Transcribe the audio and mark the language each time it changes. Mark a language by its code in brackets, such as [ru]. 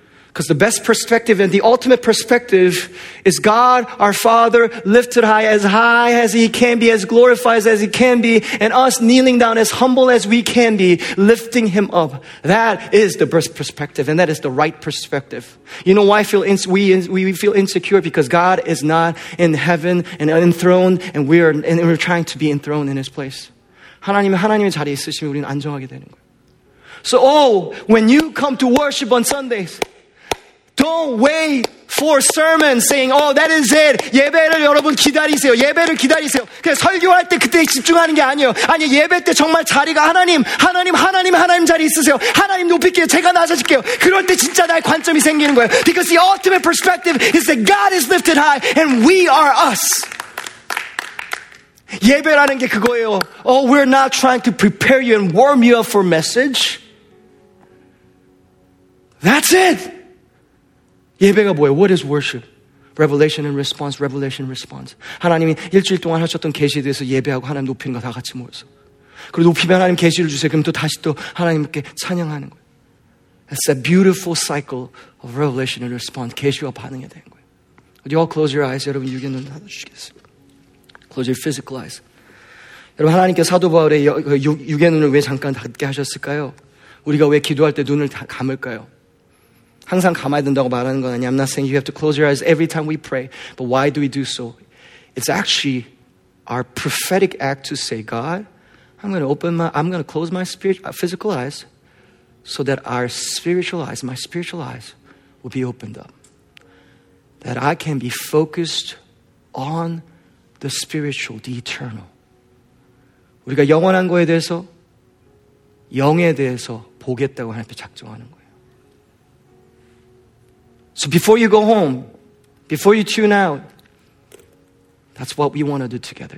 [en] Because the best perspective and the ultimate perspective is God, our Father, lifted high as He can be, as glorified as He can be, and us kneeling down as humble as we can be, lifting Him up. That is the best perspective, and that is the right perspective. You know why we feel insecure? Because God is not in heaven and enthroned, and we're trying to be enthroned in His place. [ko] 하나님의 자리에 있으시면 우리는 안정하게 되는 거예요. [en] So, when you come to worship on Sundays, don't wait for sermons saying, oh, that is it. [ko] 예배를 여러분 기다리세요. 예배를 기다리세요. 그냥 설교할 때 그때 집중하는 게 아니에요. 아니, 예배 때 정말 자리가 하나님 자리 있으세요. 하나님 높일게요. 제가 낮아질게요. 그럴 때 진짜 나의 관점이 생기는 거예요. [en] Because the ultimate perspective is that God is lifted high and we are us. [ko] 예배라는 게 그거예요. [en] Oh, we're not trying to prepare you and warm you up for message. That's it. [ko] 예배가 뭐예요? [en] What is worship? Revelation and response, revelation and response. [ko] 하나님이 일주일 동안 하셨던 계시에 대해서 예배하고 하나님 높이는 거 다 같이 모여서. 그리고 높이면 하나님 계시를 주세요. 그럼 또 다시 또 하나님께 찬양하는 거예요. [en] That's a beautiful cycle of revelation and response. [ko] 계시와 반응이 되는 거예요. [en] Would you all close your eyes? [ko] 여러분 유기 눈 닫아주시겠습니까? [en] Close your physical eyes. [ko] 여러분 하나님께 사도 바울의 유기 눈을 왜 잠깐 닫게 하셨을까요? 우리가 왜 기도할 때 눈을 감을까요? 항상 감아야 된다고 말하는 건 아니야. [en] I'm not saying you have to close your eyes every time we pray. But why do we do so? It's actually our prophetic act to say, God, I'm going to close my physical eyes so that my spiritual eyes will be opened up. That I can be focused on the spiritual, the eternal. [ko] 우리가 영원한 거에 대해서 영에 대해서 보겠다고 하나님께 작정하는 거예요. [en] So before you go home, before you tune out, that's what we want to do together.